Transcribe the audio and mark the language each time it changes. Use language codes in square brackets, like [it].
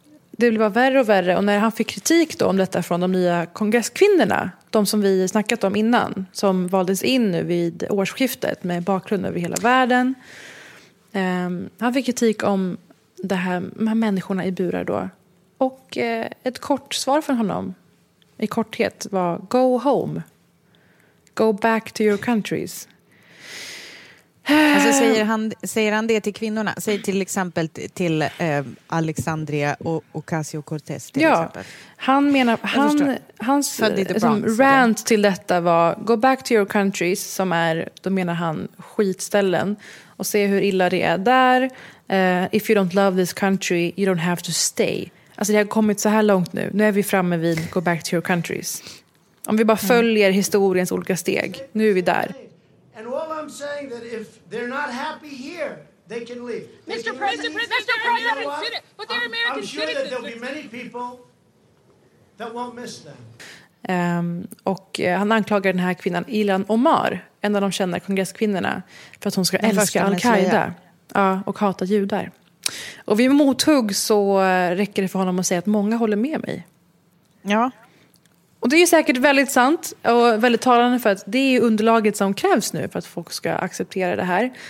[sv] Det blir bara värre och värre. Och när han fick kritik då om detta från de nya kongresskvinnorna, de som vi snackat om innan, som valdes in nu vid årsskiftet med bakgrund över hela världen. Han fick kritik om det här, de här människorna i burar då. Och ett kort svar från honom, i korthet, var [en] go home. Go back to your countries. [sv] Alltså säger han det till kvinnorna? Säg till exempel till Alexandria och Ocasio-Cortez. Till ja, exempel. Han menar... Hans som rant till detta var [en] go back to your countries, [sv] som är, då menar han, skitställen. Och se hur illa det är där. [en] If you don't love this country, you don't have to stay. [sv] Alltså det har kommit så här långt nu. Nu är vi framme vid [en] go back to your countries. [sv] Om vi bara följer historiens olika steg. Nu är vi där. [en] And all I'm saying that if they're not happy here, they can leave. Mr. President, but they're American citizens. I'm sure that there'll be many people that won't miss them. [sv] Och han anklagar den här kvinnan Ilhan Omar, en av de kända kongresskvinnorna, för att hon ska älska Al-Qaida. Ja, och hata judar. Och vid mothugg så räcker det för honom att säga att många håller med mig. Ja. Och det är ju säkert väldigt sant och väldigt talande för att det är underlaget som krävs nu för att folk ska acceptera det här.